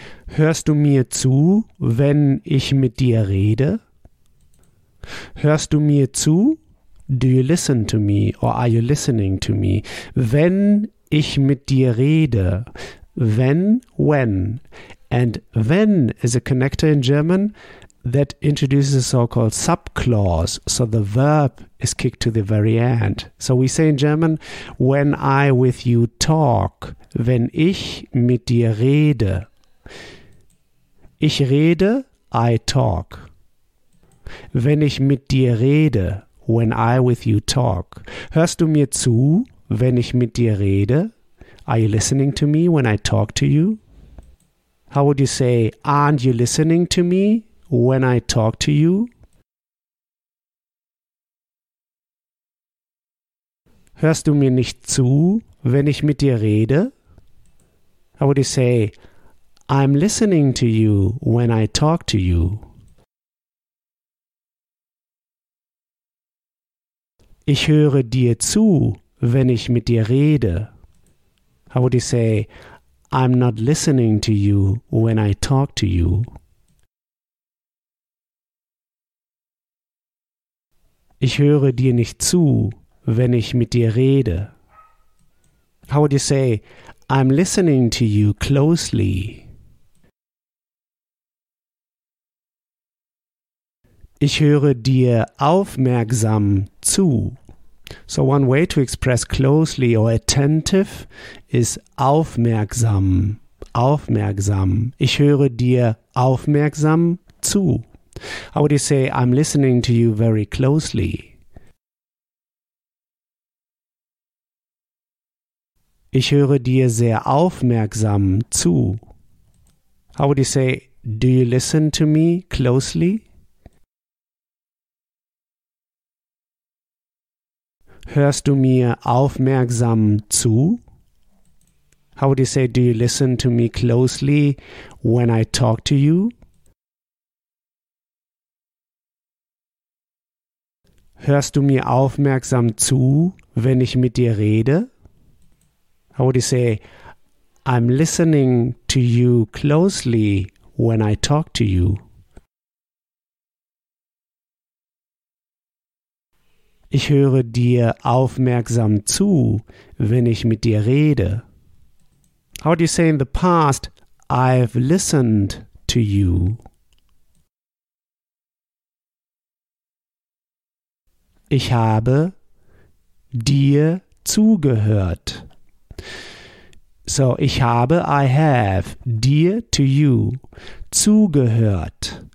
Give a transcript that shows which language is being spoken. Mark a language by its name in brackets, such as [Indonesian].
[German] Hörst du mir zu, wenn ich mit dir rede? Hörst du mir zu? [English] Do you listen to me or are you listening to me? [German] Wenn ich mit dir rede. [English] Wenn, when. And wenn is a connector in German that introduces a so-called subclause. So the verb is kicked to the very end. So we say in German, when I with you talk, [German] wenn ich mit dir rede. Ich rede, [English] I talk. [German] Wenn ich mit dir rede, [English] when I with you talk. [German] Hörst du mir zu, wenn ich mit dir rede? [English] Are you listening to me when I talk to you? How would you say, aren't you listening to me when I talk to you? [German] Hörst du mir nicht zu, wenn ich mit dir rede? [English] How would you say, I'm listening to you when I talk to you? [German] Ich höre dir zu, wenn ich mit dir rede. [English] How would you say, I'm not listening to you when I talk to you? [German] Ich höre dir nicht zu, wenn ich mit dir rede. [English] How would you say, I'm listening to you closely? [German] Ich höre dir aufmerksam zu. [English] So one way to express closely or attentive is aufmerksam. Aufmerksam. [German] Ich höre dir aufmerksam zu. [English] How would you say, I'm listening to you very closely? [German] Ich höre dir sehr aufmerksam zu. [English] How would you say, do you listen to me closely? [German] Hörst du mir aufmerksam zu? [English] How would you say, do you listen to me closely when I talk to you? [German] Hörst du mir aufmerksam zu, wenn ich mit dir rede? [English] How would you say, I'm listening to you closely when I talk to you? [German] Ich höre dir aufmerksam zu, wenn ich mit dir rede. [English] How would you say in the past, I've listened to you? [German] Ich habe dir zugehört. [English] So, [German] ich habe, [English] I have, [German] dir, [English] to you, [German] zugehört.